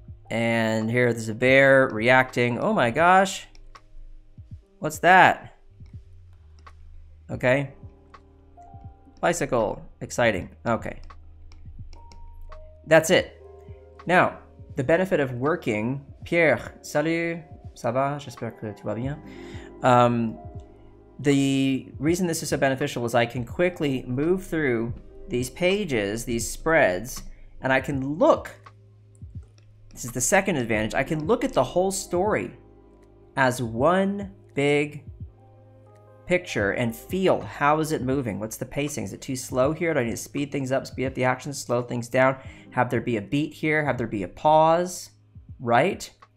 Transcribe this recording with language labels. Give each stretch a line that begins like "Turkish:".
English: And here, there's a bear reacting. Oh my gosh, what's that? Okay, bicycle, exciting, okay. That's it. Now, the benefit of working,
French: Pierre, salut, ça va, j'espère que tu vas bien.
English: The reason this is so beneficial is I can quickly move through these pages, these spreads, and I can look, this is the second advantage, I can look at the whole story as one big picture and feel how is it moving, what's the pacing, is it too slow here, do I need to speed things up, speed up the action, slow things down, have there be a beat here, have there be a pause, right?